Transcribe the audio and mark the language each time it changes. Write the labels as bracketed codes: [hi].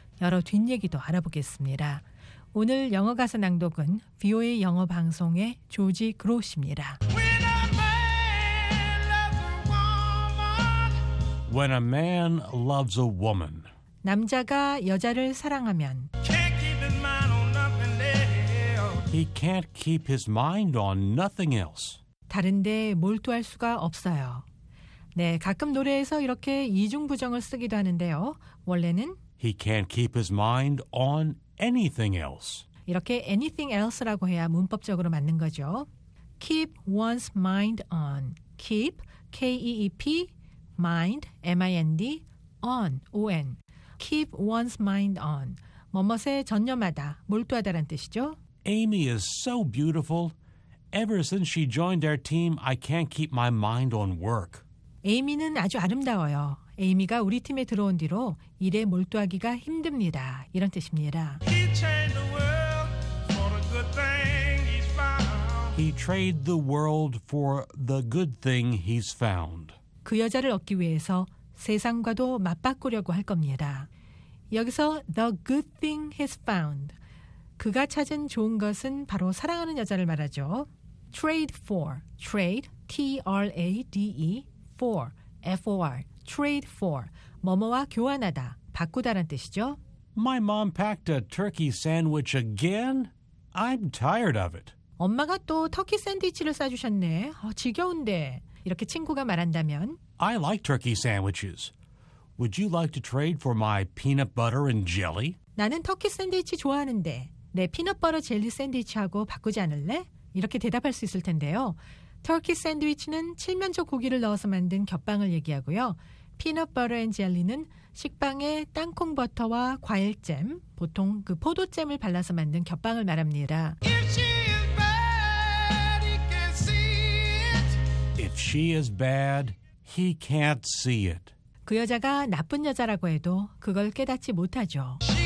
[ko] 여러 뒷얘기도 알아보겠습니다. 오늘 영어 가사 낭독은 VOA 영어 방송의 조지 그로시입니다. [en] When a man loves a woman. When a man loves a woman. [ko] 남자가 여자를 사랑하면 [en] can't keep his mind on nothing else. He can't keep his mind on nothing else. [ko] 다른 데 몰두할 수가 없어요. 네, 가끔 노래에서 이렇게 이중 부정을 쓰기도 하는데요. 원래는 [en] He can't keep his mind on anything else. [ko] 이렇게 [en] anything else [ko] 라고 해야 문법적으로 맞는 거죠. [en] Keep one's mind on. Keep, K-E-E-P, mind, M-I-N-D, on, O-N. Keep one's mind on. [ko] 뭐뭇에 전념하다, 몰두하다란 뜻이죠. [en] Amy is so beautiful. Ever since she joined our team, I can't keep my mind on work. [ko] 에이미는 아주 아름다워요. 에이미가 우리 팀에 들어온 뒤로 일에 몰두하기가 힘듭니다. 이런 뜻입니다. [en] He traded the world for the good thing he's found. He traded the world for the good thing he's found. [ko] 그 여자를 얻기 위해서 세상과도 맞바꾸려고 할 겁니다. 여기서 [en] the good thing he's found. [ko] 그가 찾은 좋은 것은 바로 사랑하는 여자를 말하죠. [en] Trade for. Trade. T-R-A-D-E. For. F-O-R. Trade for. [ko] 뭐뭐와 교환하다, 바꾸다란 뜻이죠. [en] My mom packed a turkey sandwich again. I'm tired of it. [ko] 엄마가 또 터키 샌드위치를 싸주셨네. 지겨운데. 이렇게 친구가 말한다면 [en] I like turkey sandwiches. Would you like to trade for my peanut butter and jelly? [ko] 나는 터키 샌드위치 좋아하는데 내 피넛버터 젤리 샌드위치하고 바꾸지 않을래? 이렇게 대답할 수 있을 텐데요. 터키 샌드위치는 칠면조 고기를 넣어서 만든 겹빵을 얘기하고요. 피넛버터 앤 젤리는 식빵에 땅콩버터와 과일잼, 보통 그 포도잼을 발라서 만든 겹빵을 말합니다. [en] If she is bad, he can't see it. If she is bad, he can't see it. [ko] 그 여자가 나쁜 여자라고 해도 그걸 깨닫지 못하죠.